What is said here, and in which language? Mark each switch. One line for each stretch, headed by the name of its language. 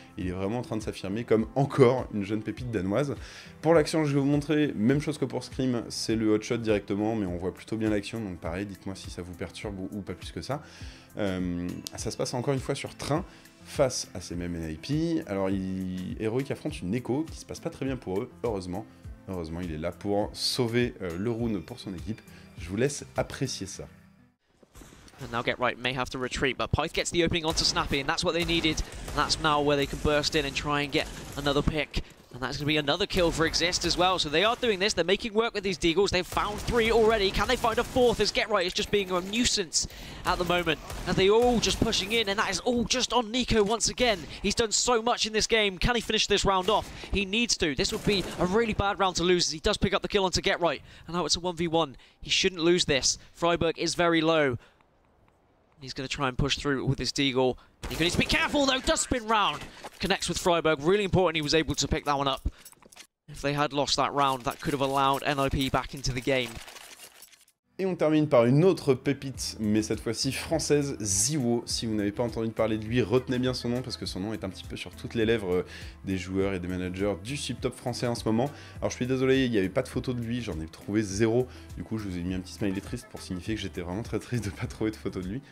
French: Il est vraiment en train de s'affirmer comme encore une jeune pépite danoise. Pour l'action, je vais vous montrer, même chose que pour Scream, c'est le hot shot directement, mais on voit plutôt bien l'action, donc pareil, dites-moi si ça vous perturbe ou pas plus que ça. Ça se passe encore une fois sur train, face à ces mêmes NIP. Alors, Heroic affronte une Echo qui se passe pas très bien pour eux, heureusement. Heureusement, il est là pour sauver le rune pour son équipe. Je vous laisse apprécier ça.
English: And they'll get right, may have to retreat, but Pyth gets the opening onto Snappy, and that's what they needed. That's now where they can burst in and try and get another pick. And that's going to be another kill for Exist as well. So they are doing this, they're making work with these Deagles. They've found three already. Can they find a fourth? As GetRight is just being a nuisance at the moment. And they're all just pushing in, and that is all just on Nico once again. He's done so much in this game. Can he finish this round off? He needs to. This would be a really bad round to lose as he does pick up the kill onto GetRight. And now it's a 1v1. He shouldn't lose this. Freiburg is very low. He's going to try and push through with his Deagle. He needs to be careful though, does spin round. Connects with Freiburg, really important he was able to pick that one up. If they had lost that round, that could have allowed NIP back into the game.
French: Et on termine par une autre pépite, mais cette fois-ci française, Ziwo. Si vous n'avez pas entendu parler de lui, retenez bien son nom, parce que son nom est un petit peu sur toutes les lèvres des joueurs et des managers du Subtop français en ce moment. Alors je suis désolé, il n'y avait pas de photo de lui, j'en ai trouvé zéro. Du coup, je vous ai mis un petit smiley triste pour signifier que j'étais vraiment très triste de ne pas trouver de photo de lui.